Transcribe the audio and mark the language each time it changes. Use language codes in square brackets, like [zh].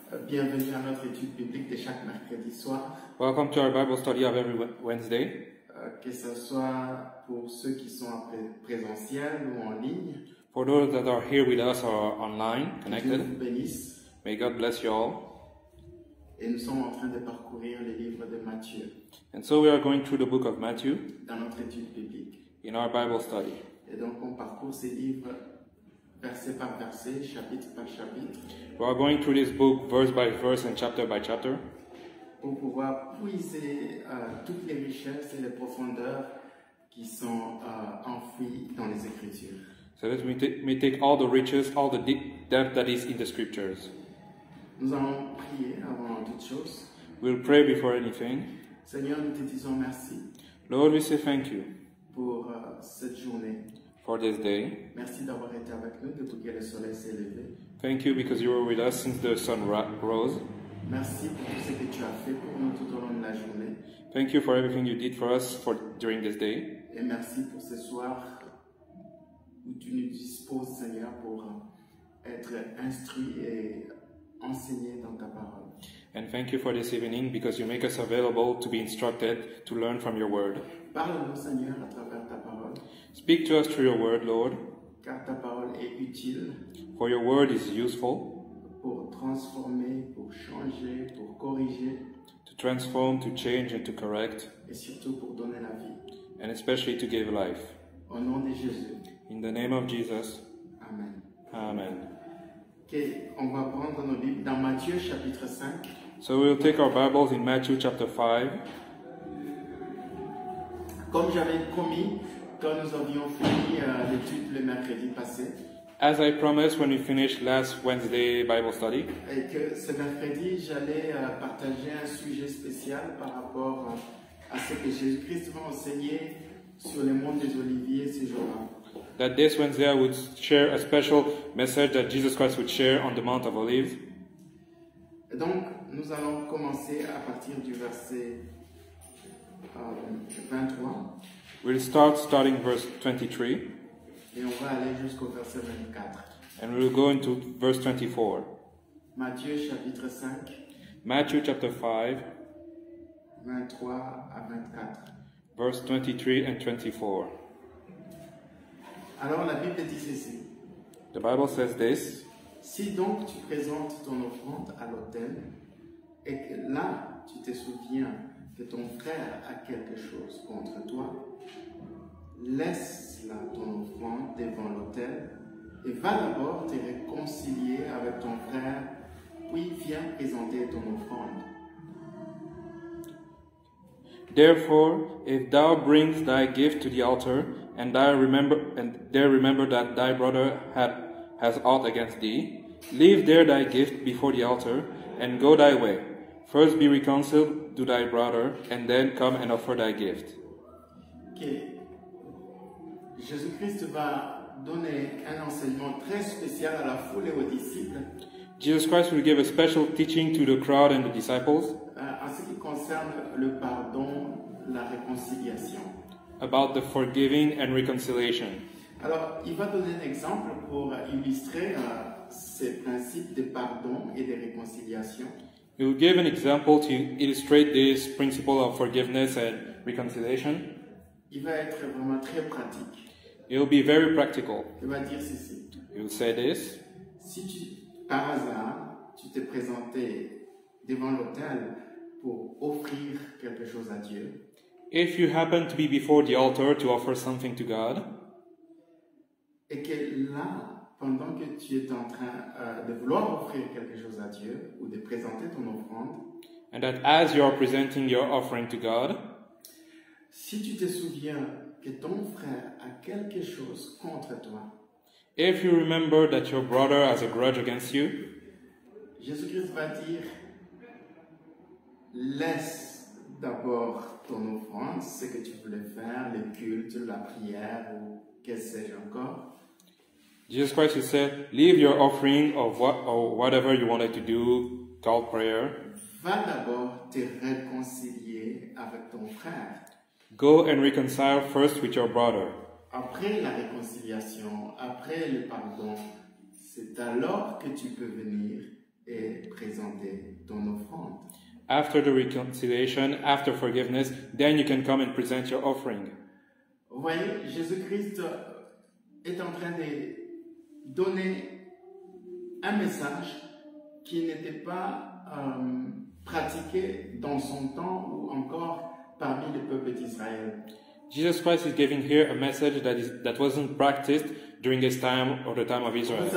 [fr] Bienvenue à notre étude biblique de chaque mercredi soir. [en] Welcome to our Bible study of every Wednesday. [fr] Que ce soit pour ceux qui sont en présentiel ou en ligne. [en] For those that are here with us or online, connected. [fr] Dieu vous bénisse. [en] May God bless you all. [fr] Et nous sommes en train de parcourir les livres de Matthieu. [en] And so we are going through the book of Matthew. [fr] Dans notre étude biblique. [en] In our Bible study. [fr] Et donc on parcourt ces livres. Verset par verset, chapitre par chapitre. [en] We are going through this book verse by verse and chapter by chapter. [fr] Pour pouvoir puiser toutes les richesses et les profondeurs qui sont enfouies dans les Écritures. [en] So that we may take all the riches, all the depth that is in the Scriptures. [fr] Nous allons prier avant toute chose. [en] We'll pray before anything. [fr] Seigneur, nous te disons merci. [en] Lord, we say thank you. [fr] Pour cette journée. [en] For this day. [fr] Merci d'avoir été avec nous depuis que le soleil s'est levé. [en] Thank you because you were with us since the sun rose. [fr] Merci pour tout ce que tu as fait pour nous tout au long de la journée. [en] Thank you for everything you did for us for during this day. [fr] Et merci pour ce soir où tu nous disposes, Seigneur, pour être instruit et enseigné dans ta parole. [en] And thank you for this evening because you make us available to be instructed to learn from your word. [fr] Parle-nous, Seigneur, à travers ta parole. [en] Speak to us through your word, Lord. [fr] Car ta parole est utile. [en] For your word is useful. [fr] Pour transformer, pour changer, pour corriger. [en] To transform, to change, and to correct. [fr] Et surtout pour donner la vie. [en] And especially to give life. [fr] Au nom de Jésus. [en] In the name of Jesus. [fr] Amen. [en] Amen. [fr] Okay, on va prendre nos Bibles dans Matthieu chapitre 5. [en] So we'll take our Bibles in Matthew chapter 5. [fr] Comme j'avais promis quand nous avions fini l'étude le mercredi passé. [en] As I promised when we finished last Wednesday Bible study. [fr] Et que ce mercredi, j'allais partager un sujet spécial par rapport à ce que Jésus-Christ m'a enseigné sur le mont des Oliviers ces jours-là. [en] That this Wednesday I would share a special message that Jesus Christ would share on the Mount of Olives. [fr] Et donc, nous allons commencer à partir du verset 23. [en] We'll start starting verse 23. [fr] Et on va aller jusqu'au verset 24. [en] And we'll go into verse 24. [fr] Matthieu chapitre 5. [en] Matthew chapter 5. [fr] 23 à 24. [en] Verse 23 and 24. [fr] Alors la Bible dit ceci. [en] The Bible says this. [fr] Si donc tu présentes ton offrande à l'autel et que là tu te souviens que ton frère a quelque chose contre toi, laisse-la ton offrande devant l'autel et va d'abord te réconcilier avec ton frère, puis viens présenter ton offrande. [en] Therefore, if thou brings thy gift to the altar, and there remember that thy brother has aught against thee, leave there thy gift before the altar and go thy way. First be reconciled to thy brother, and then come and offer thy gift. Okay. [fr] Jésus-Christ va donner un enseignement très spécial à la foule et aux disciples. [en] Jesus Christ will give a special teaching to the crowd and the disciples. [fr] En ce qui concerne le pardon, la réconciliation. [en] About the forgiving and reconciliation. [fr] Alors, il va donner un exemple pour illustrer ces principes de pardon et de réconciliation. [en] He will give an example to illustrate this principle of forgiveness and reconciliation. [fr] Il va être vraiment très pratique. [en] It will be very practical. [fr] Il va dire ceci. [en] He will say this. [fr] Si tu, par hasard, tu t'es présenté devant l'autel pour offrir quelque chose à Dieu. [en] If you happen to be before the altar to offer something to God. [fr] Et que là, pendant que tu es en train de vouloir offrir quelque chose à Dieu ou de présenter ton offrande. [en] And that as you are presenting your offering to God. [fr] Si tu te souviens que ton frère a quelque chose contre toi. [en] If you remember that your brother has a grudge against you. [fr] Jésus-Christ va dire, laisse d'abord ton offrande, ce que tu voulais faire, le culte, la prière ou que sais-je encore. [en] Jesus Christ, he said, leave your offering or whatever you wanted to do, called prayer. [fr] Va d'abord te réconcilier avec ton frère. [en] Go and reconcile first with your brother. [fr] Après la réconciliation, après le pardon, C'est alors que tu peux venir et présenter ton offrande. [en] After the reconciliation, after forgiveness, then you can come and present your offering. [fr] Vous voyez, Jésus-Christ est en train de donner un message qui n'était pas pratiqué dans son temps ou encore parmi le peuple d'Israël. [en] Jesus Christ is giving here a message that wasn't practiced during his time or the time of Israel.